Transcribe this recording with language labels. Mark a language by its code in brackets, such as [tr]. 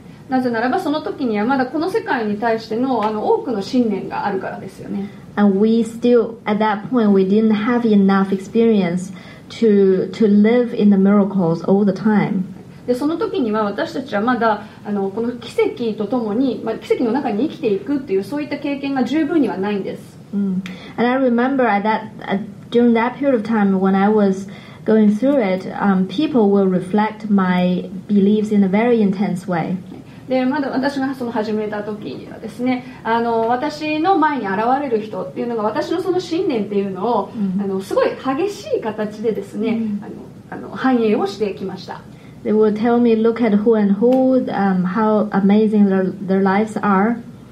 [ja] なぜならばその時にはまだこの世界に対して の多くの信念があるからですよね。 [en] And we still at that point we didn't have enough experience to live in the miracles all the time. [ja] でその時には私たちはまだこの奇跡とともに、まあ、奇跡の中に生きていくっていうそういった経験が十分にはないんです。 [en] And I remember during that period of time when I was going through it, people will reflect my beliefs in a very intense way. [ja] で、まだ私がその始めた時にはですね、私の前に現れる人っていうのが私のその信念っていうのを、mm-hmm. すごい激しい形でですね、反映をしてきました。 [en] They will tell me, look at who and who, how amazing their lives are.